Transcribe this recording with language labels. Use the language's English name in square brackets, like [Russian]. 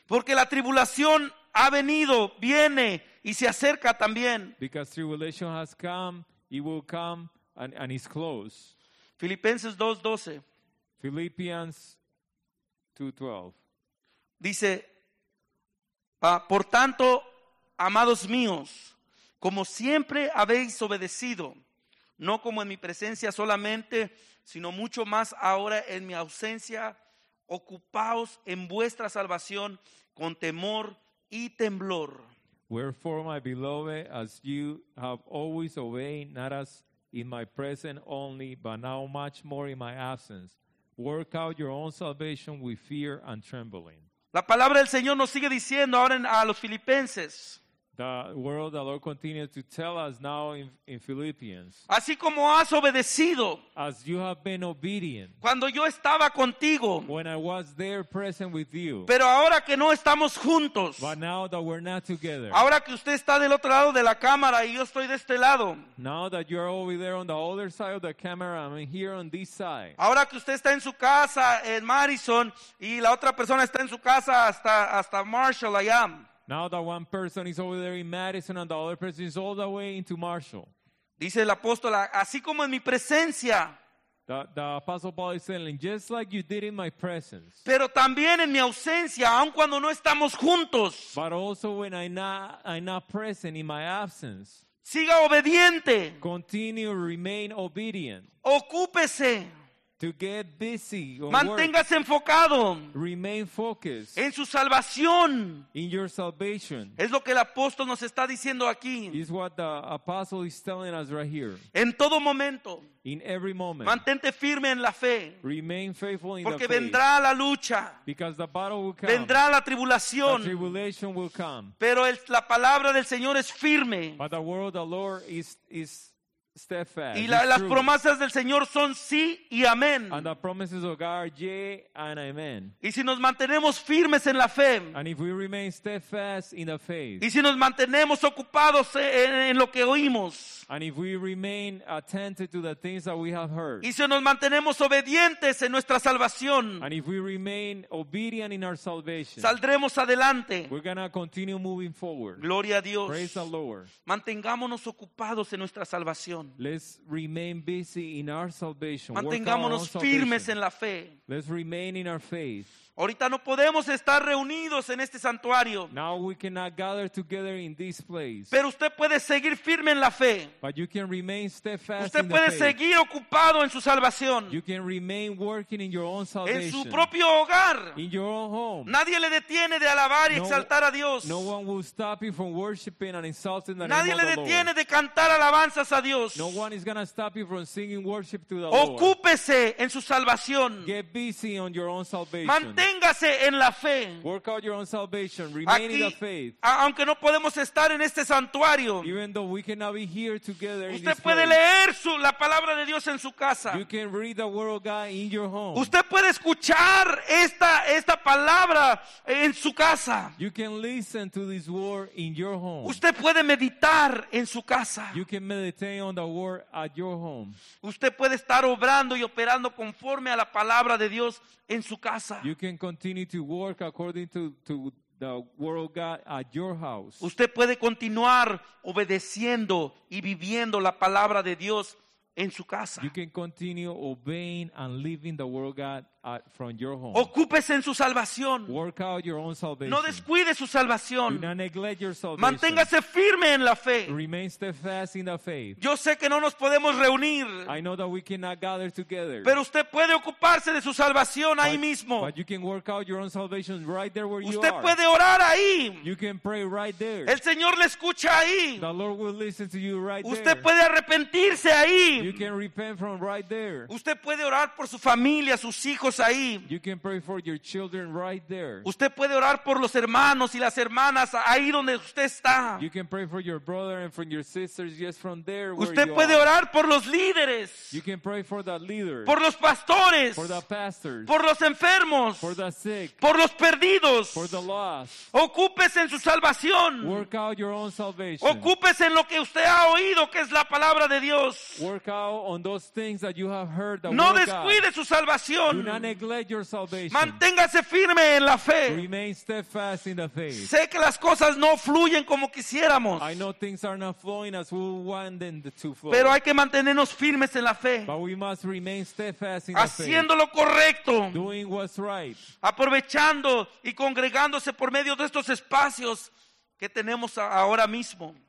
[Spanish] Porque la tribulación ha venido, viene y se acerca también. [English] Because tribulation has come, it will come and is close. [Spanish] Filipenses 2:12. [English] Philippians 2:12. [Spanish] Dice, por tanto, amados míos, como siempre habéis obedecido, no como en mi presencia solamente, sino mucho más ahora en mi ausencia, ocupaos en vuestra salvación con temor y temblor. [English] Wherefore, my beloved, as you have always obeyed, not as in my presence only, but now much more in my absence, work out your own salvation with fear and trembling. [Spanish] La palabra del Señor nos sigue diciendo ahora a los filipenses. [English] The word the Lord continues to tell us now in Philippians. [Spanish] Así como has obedecido. [English] As you have been obedient. [Spanish] Cuando yo estaba contigo. [English] When I was there present with you. [Spanish] Pero ahora que no estamos juntos. [English] But now that we're not together. [Spanish] Ahora que usted está del otro lado de la cámara y yo estoy de este lado. [English] Now that you're over there on the other side of the camera, I'm here on this side. [Spanish] Ahora que usted está en su casa en Madison y la otra persona está en su casa hasta Marshall allá. [English] Now that one person is over there in Madison and the other person is all the way into Marshall. [Spanish] Dice el apóstol, así como en mi presencia. [English] The apostle Paul is saying, just like you did in my presence. [Spanish] Pero también en mi ausencia, aun cuando no estamos juntos. [English] But also when I'm not present in my absence. [Spanish] Siga obediente. [English] Continue, remain obedient. [Spanish] Ocúpese. [English] To get busy or [Spanish] manténgase [English] work. [Spanish] Enfocado. [English] Remain focused. [Spanish] En su salvación. [English] In your salvation. [Spanish] Es lo que el apóstol nos está diciendo aquí. [English] Is what the apostle is telling us right here. [Spanish] En todo momento. [English] In every moment. [Spanish] Mantente firme en la fe. [English] Remain faithful in [Spanish] porque [English] the faith. [Spanish] Porque vendrá la lucha. [English] Because the battle will come. [Spanish] Vendrá la tribulación. [English] The tribulation will come. [Spanish] Pero la palabra del Señor es firme. [English] But the word of the Lord is steadfast. [Spanish] Y las promesas del Señor son sí y amén. [English] And the promises of God are yea and amen. [Spanish] Y si nos mantenemos firmes en la fe. [English] And if we remain steadfast in the faith. [Spanish] Y si nos mantenemos ocupados en lo que oímos. [English] And if we remain attentive to the things that we have heard. [Spanish] Y si nos mantenemos obedientes en nuestra salvación. [English] And if we remain obedient in our salvation. [Spanish] Saldremos adelante. [English] We're gonna continue moving forward. [Spanish] Gloria a Dios. [English] Praise the Lord. [Spanish] Mantengámonos ocupados en nuestra salvación. [English] Let's remain busy in our salvation. [Spanish] Mantengámonos firmes en la fe. [English] Let's remain in our faith. [Spanish] Ahorita no podemos estar reunidos en este santuario. [English] Now we cannot gather together in this place. [Spanish] Pero usted puede seguir firme en la fe. [English] But you can remain steadfast. [Spanish] Usted puede seguir ocupado en su salvación. [English] You can remain working in your own salvation. [Spanish] En su propio hogar. [English] In your own home. [Spanish] Nadie le detiene de alabar y exaltar a Dios. [English] No one will stop you from worshiping and insulting the name of the [Spanish] Lord. Nadie le detiene de cantar alabanzas a Dios. [English] No one is going to stop you from singing worship to the [Spanish] Lord. Ocúpese en su salvación. [English] Get busy on your own salvation. [Spanish] Manténgase en la fe. [English] Work out your own salvation. Remain [Spanish] aquí, [English] in the faith. [Spanish] Aunque no podemos estar en este santuario. [English] Even though we cannot be here together. [Spanish] Usted [English] in this [Spanish] puede [English] place. [Spanish] Leer la palabra de Dios en su casa. [English] You can read the word of God in your home. [Spanish] Usted puede escuchar esta palabra en su casa. [English] You can listen to this word in your home. [Spanish] Usted puede meditar en su casa. [English] You can meditate on the word at your home. [Spanish] Usted puede estar obrando y operando conforme a la palabra de Dios en su casa. [English] You can continue to work according to the word of God at your house. [Spanish] Usted puede continuar obedeciendo y viviendo la palabra de Dios en su casa. [English] You can continue obeying and living the word of God from your home. [Spanish] Ocúpese en su salvación. [English] Work out your own salvation. [Spanish] No descuide su salvación. [English] Do not neglect your salvation. [Spanish] Manténgase firme en la fe. [English] Remain steadfast in the faith. [Spanish] Yo sé que no nos podemos reunir. [English] I know that we cannot gather together. [Spanish] Pero usted puede ocuparse de su salvación ahí mismo. [English] But you can work out your own salvation right there where you are. [Spanish] Usted puede orar ahí. [English] You can pray right there. [Spanish] El Señor le escucha ahí. [English] The Lord will listen to you right there. [Spanish] Usted puede arrepentirse ahí. [English] You can repent from right there. [Spanish] Usted puede orar por su familia, sus hijos. Ahí. [English] You can pray for your children right there. [Spanish] Usted puede orar por los hermanos y las hermanas ahí donde usted está. [English] You can pray for your brother and for your sisters just from there where [Spanish] usted [English] you [Spanish] puede [English] are. [Spanish] Orar por los líderes. [English] You can pray for the leaders. [Spanish] Por los pastores. [English] For the pastors. [Spanish] Por los enfermos. [English] For the sick. [Spanish] Por los perdidos. [English] For the lost. [Spanish] Ocúpese en su salvación. [English] Work out your own salvation. [Spanish] Ocúpese en lo que usted ha oído que es la palabra de Dios. [English] Work out on those things that you have heard the [Spanish] no descuide [English] God. [Spanish] Su salvación. [English] Do not neglect your salvation. [Spanish] Manténgase firme en la fe. [English] Remain steadfast in the faith. [Spanish] Sé que las cosas no fluyen como quisiéramos. [English] I know things are not flowing as we want them to flow. [Spanish] Pero hay que mantenernos firmes en la fe. [English] But we must remain steadfast in [Spanish] haciendo [English] the faith. [Spanish] Lo correcto. [English] Doing what's right. [Spanish] Aprovechando y congregándose por medio de estos espacios que tenemos ahora mismo.